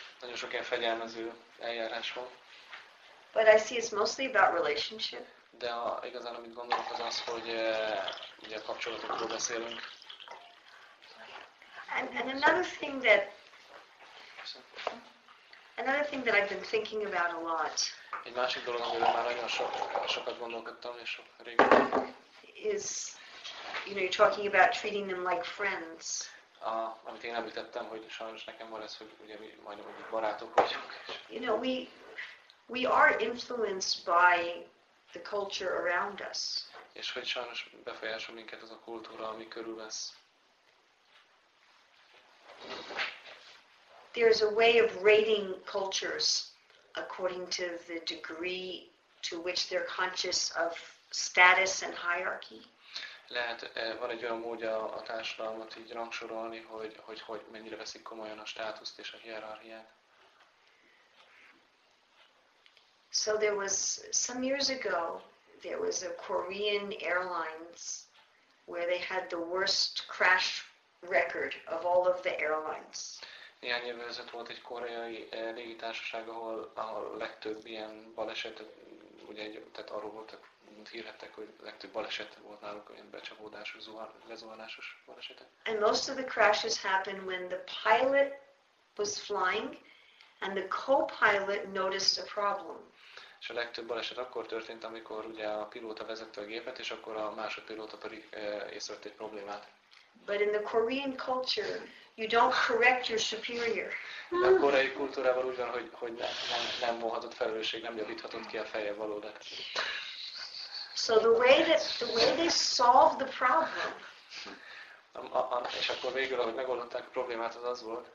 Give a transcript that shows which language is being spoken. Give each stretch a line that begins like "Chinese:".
Hungarian: Nagyon sok ilyen fegyelmező eljárás van.
English: But I see it's mostly about relationship.
Hungarian: De igazán amit gondolok az az, hogy ugye a kapcsolatokról beszélünk.
English: And another thing that I've been thinking about a lot.
Hungarian: Egy másik dolog, amiről már nagyon sokat gondolkodtam, és sok régen.
English: Is, you know, you're talking about treating them like friends.
Hungarian: Amit én említettem, hogy sajnos nekem van ez, hogy ugye mi majdnem úgy barátok vagyunk.
English: You know, we are influenced by the culture around us.
Hungarian: És hogy sajnos befolyásol minket az a kultúra, ami körülvesz.
English: There's a way of rating cultures according to the degree to which they're conscious of status and hierarchy.
Hungarian: Lehet, van egy olyan módja a társadalmat így rangsorolni, hogy mennyire veszik komolyan a státuszt és a hierarchiát.
English: So there was some years ago, there was a Korean Airlines where they had the worst crash record of all of the airlines.
Hungarian: Néhány évvel ezelőtt volt egy koreai légitársaság, ahol a legtöbb ilyen baleset, ugye, tehát arról voltak, hírhettek, hogy legtöbb baleset volt náluk, ilyen becsapódásos, lezuhanásos balesetek.
English: And most of the crashes happened when the pilot was flying, and the co-pilot noticed a problem.
Hungarian: És a legtöbb baleset akkor történt, amikor ugye a pilóta vezette a gépet, és akkor a másodpilóta pedig észrevett egy problémát.
English: But in the Korean culture, you don't correct your superior.
Hungarian: De a koreai kultúrában úgy van, hogy nem vonhatod felelősség, nem javíthatod ki a fejjel valódat.
English: So the way they solve the problem.
Hungarian: És akkor végül, ahogy megoldották a problémát, az volt.